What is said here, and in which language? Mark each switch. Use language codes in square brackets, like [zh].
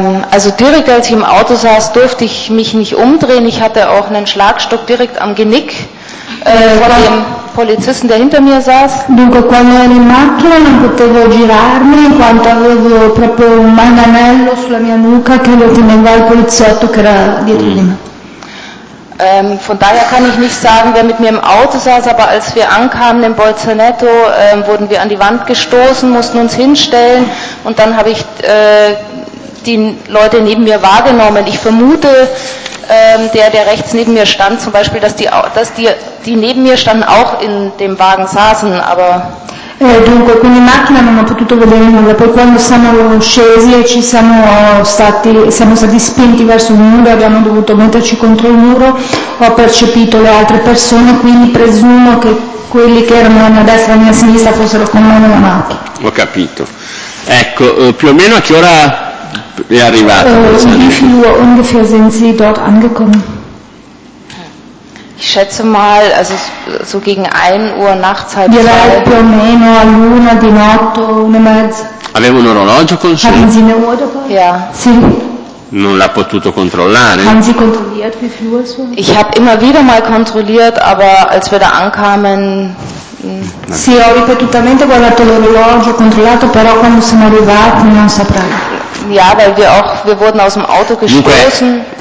[de] Also direkt als ich im Auto saß, durfte ich mich nicht umdrehen. Ich hatte auch einen Schlagstock direkt am Genick von dem Polizisten, der hinter mir saß. [it] Dunque, quando ero in macchina non potevo girarmi, in quanto avevo proprio un manganello sulla mia nuca che lo teneva il poliziotto che era dietro di me. [de] Von daher kann ich nicht sagen, wer mit mir im Auto saß, aber als wir ankamen in Bolzaneto, wurden wir an die Wand gestoßen, mussten uns hinstellen und dann habe ich die Leute neben mir wahrgenommen. Ich vermute, der rechts neben mir stand, zum Beispiel, dass die neben mir standen, auch in dem Wagen saßen, aber... [it] Dunque, quindi in macchina non ho potuto vedere nulla, poi quando siamo scesi e siamo stati spinti verso il muro, abbiamo dovuto metterci contro il muro, ho percepito le altre persone, quindi presumo che quelli che erano a mia destra e a mia sinistra fossero con me nella macchina. Ho capito. Ecco, più o meno a che ora è arrivato? [de] Ungefähr sind Sie dort angekommen? Ich schätze mal, also so gegen 1 Uhr nachts, halb zwei. [it] Direi più o meno all'una di notte, una e mezza. Avevo un orologio con sé? [de] Haben Sie eine Uhr dabei? Ja. [it] Sì. Non l'ha potuto controllare? [de] Haben Sie kontrolliert, wie viel Uhr es war? Ich habe immer wieder mal kontrolliert, aber als wir da ankamen... [it] Sì, ho ripetutamente guardato l'orologio, controllato, però quando siamo arrivati non saprei. [de] Ja, weil wir wurden aus dem Auto gestoßen.